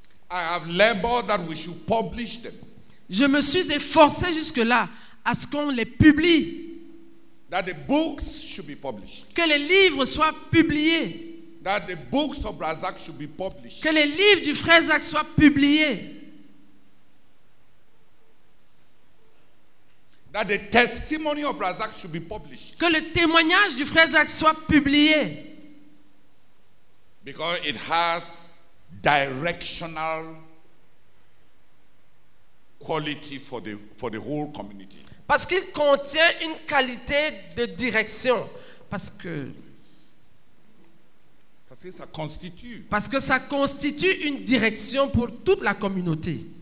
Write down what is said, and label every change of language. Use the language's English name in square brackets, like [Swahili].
[English] I have labored that we should publish them. [French] Je me suis efforcé jusque-là à ce qu'on les publie. [English] That the books should be published. [French] Que les livres soient publiés. [English] That the books of Brazak should be published. [French] Que les livres du frère Zach soient publiés. [English] That the testimony of Razak should be published. [French] Que le témoignage du frère Zach soit publié. [English] Because it has directional quality for the whole community. [French] Parce qu'il contient une qualité de direction. Parce que ça constitue une direction pour toute la communauté.